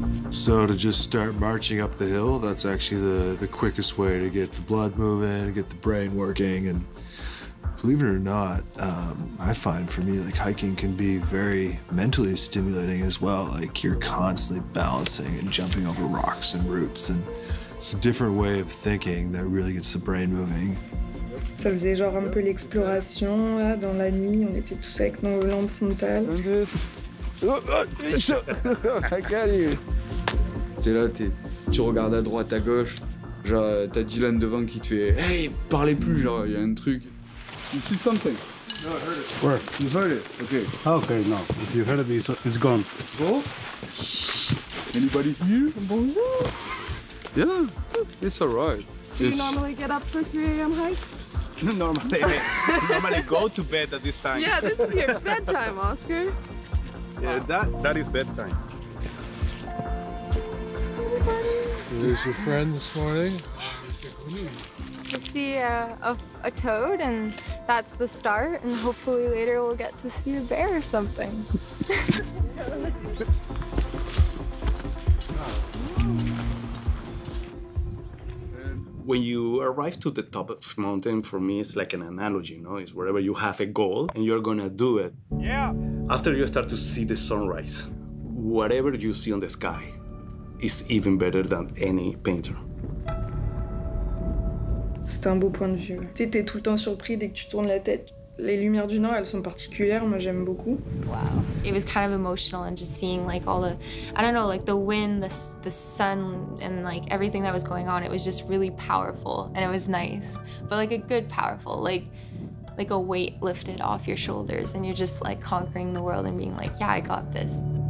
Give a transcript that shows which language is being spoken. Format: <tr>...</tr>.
<en>So to just start marching up the hill, that's actually the quickest way to get the blood moving, get the brain working. And believe it or not, I find for me, like, hiking can be very mentally stimulating as well. Like, you're constantly balancing and jumping over rocks and roots, and it's a different way of thinking that really gets the brain moving.</en> <fr>Ça faisait genre un peu l'exploration, là, dans la nuit, on était tous avec nos lampes frontales. T'es là, tu regardes à droite, à gauche, genre t'as Dylan devant qui te fait « Hey, parlez plus, genre, il y a un truc. »</fr> <en>You see something? No, I heard it. Where? You heard it, okay. Okay, no, if you heard it, it's gone. Go? Anybody here? Bonjour. Yeah, it's all right. Do you normally get up for 3 a.m. hikes? Normally go to bed at this time. Yeah, this is your bedtime, Oscar. Yeah, that is bedtime. Everybody. So there's your friend this morning. To see a toad, and that's the start, and hopefully later we'll get to see a bear or something. When you arrive to the top of the mountain, for me, it's like an analogy, no? It's wherever you have a goal and you're gonna do it. Yeah. After you start to see the sunrise, whatever you see on the sky is even better than any painter.</en> <fr>C'est un beau point de vue. Tu es tout le temps surpris dès que tu tournes la tête. Les lumières du nord, elles sont particulières, moi j'aime beaucoup.</fr> <en>Wow. It was kind of emotional and just seeing like all the, I don't know, like the wind, the sun and like everything that was going on, it was just really powerful and it was nice. But like a good powerful, like a weight lifted off your shoulders and you're just like conquering the world and being like, yeah, I got this.</en>